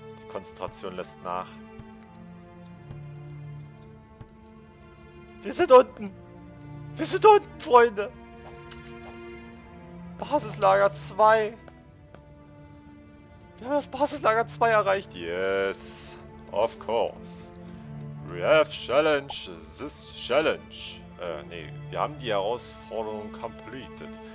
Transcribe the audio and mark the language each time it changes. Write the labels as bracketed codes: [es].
[de] Konzentration lässt nach. Wir sind unten. Wir sind unten, Freunde. Basislager 2. Wir haben das Basislager 2 erreicht. [en] Yes. Of course. We have challenged this challenge. [de] Wir haben die Herausforderung completed.